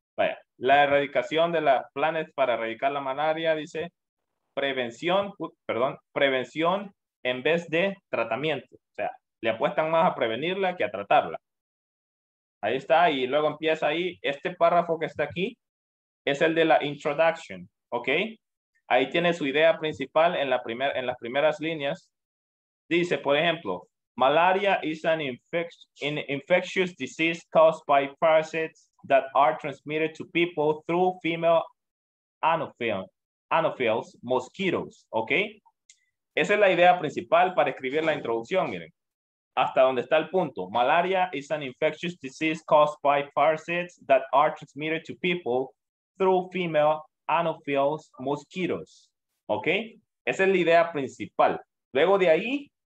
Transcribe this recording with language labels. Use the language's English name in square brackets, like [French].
[Spanish] Vaya, la erradicación de las planes para erradicar la malaria, dice, prevención, en vez de tratamiento. O sea, le apuestan más a prevenirla que a tratarla. Ahí está. Y luego empieza ahí. Este párrafo que está aquí es el de la introduction. ¿Ok? Ahí tiene su idea principal en las primeras líneas. Dice, por ejemplo, [English] malaria is an infectious disease caused by parasites that are transmitted to people through female anopheles, mosquitoes. ¿Ok? [Spanish] Esa es la idea principal para escribir la introducción, miren. Hasta donde está el punto. [English] Malaria is an infectious disease caused by parasites that are transmitted to people through female anopheles mosquitoes. ¿Ok? [Spanish] Esa es la idea principal. Luego de ahí,